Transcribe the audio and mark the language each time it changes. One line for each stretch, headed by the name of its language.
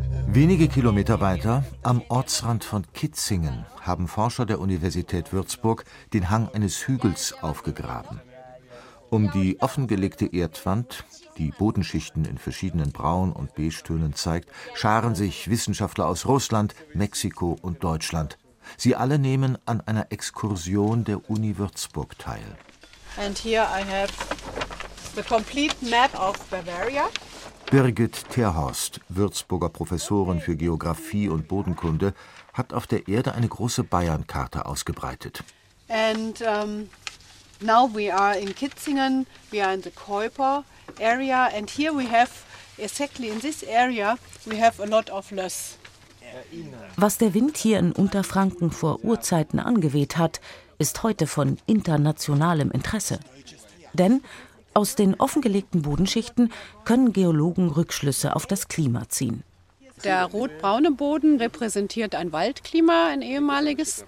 German: Wenige Kilometer weiter, am Ortsrand von Kitzingen, haben Forscher der Universität Würzburg den Hang eines Hügels aufgegraben. Um die offengelegte Erdwand, die Bodenschichten in verschiedenen Braun- und Beigetönen zeigt, scharen sich Wissenschaftler aus Russland, Mexiko und Deutschland. Sie alle nehmen an einer Exkursion der Uni Würzburg teil.
English: And here I have the complete map of Bavaria.
German: Birgit Terhorst, Würzburger Professorin für Geographie und Bodenkunde, hat auf der Erde eine große Bayernkarte ausgebreitet.
English: And now we are in Kitzingen, we are in the Keuper area, and here we have exactly in this area we have a lot of loess.
German: Was der Wind hier in Unterfranken vor Urzeiten angeweht hat, ist heute von internationalem Interesse. Denn aus den offengelegten Bodenschichten können Geologen Rückschlüsse auf das Klima ziehen. Der rotbraune Boden repräsentiert ein Waldklima, ein ehemaliges.